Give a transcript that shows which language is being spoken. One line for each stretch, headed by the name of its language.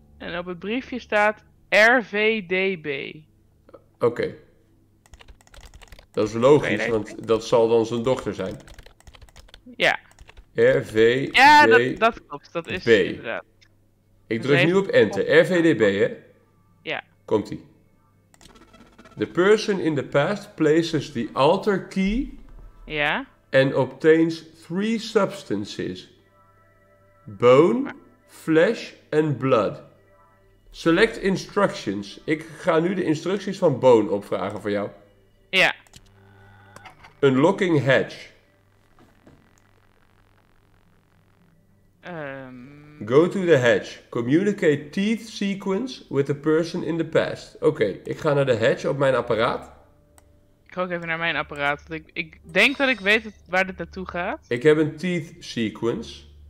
Dutch: En op het briefje staat RVDB. Oké. Okay. Dat is logisch, want dat zal dan zijn dochter zijn. Ja. RVDB. Ja, dat klopt. Dat is B. Inderdaad. Ik druk nu op enter. RVDB, hè? Ja. Komt-ie.
English: The person in the past places the alter key.
Dutch: Ja.
English: And obtains 3 substances. Bone, flesh and blood. Select instructions.
Dutch: Ik ga nu de instructies van Bone opvragen voor jou. Ja.
English: Unlocking hatch. Go to the hatch. Communicate teeth sequence with the person in the past.
Dutch: Oké, okay, ik ga naar de hatch op mijn apparaat. Ik ga ook even naar mijn apparaat. Want ik denk dat ik weet waar dit naartoe gaat. Ik heb een teeth sequence.